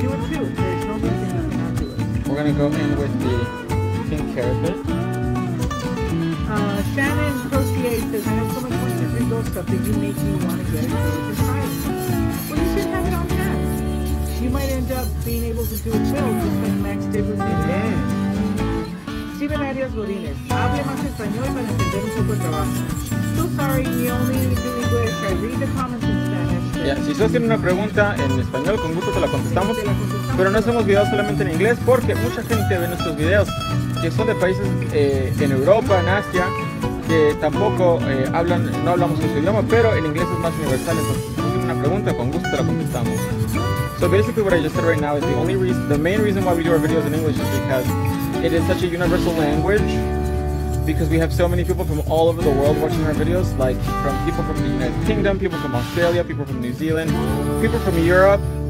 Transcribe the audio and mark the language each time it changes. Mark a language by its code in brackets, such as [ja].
[en] We're gonna go in with the pink carapace. Shannon Crossier says, I have so much fun with your gold stuff that you make me want to get it. Well, you should have it on hand. You might end up being able to do it well, just like Max did with me. Yeah. [es] Steven Arias Rodinez, hable más español para entender un poco el trabajo. [en] So sorry, you only do English. I read the comments in Spanish. [es] Yeah, si ustedes tienen una pregunta en español, con gusto te la contestamos. Pero no hacemos videos solamente en inglés, porque mucha gente ve nuestros videos que son de países en Europa, en Asia, que tampoco hablan, no hablamos nuestro idioma, pero el inglés es más universal. Entonces, si tienen una pregunta, con gusto te la contestamos. [en] So basically what I just said right now is the main reason why we do our videos in English is because it is such a universal language because we have so many people from all over the world watching our videos, like from people from the United Kingdom, people from Australia, people from New Zealand, people from Europe.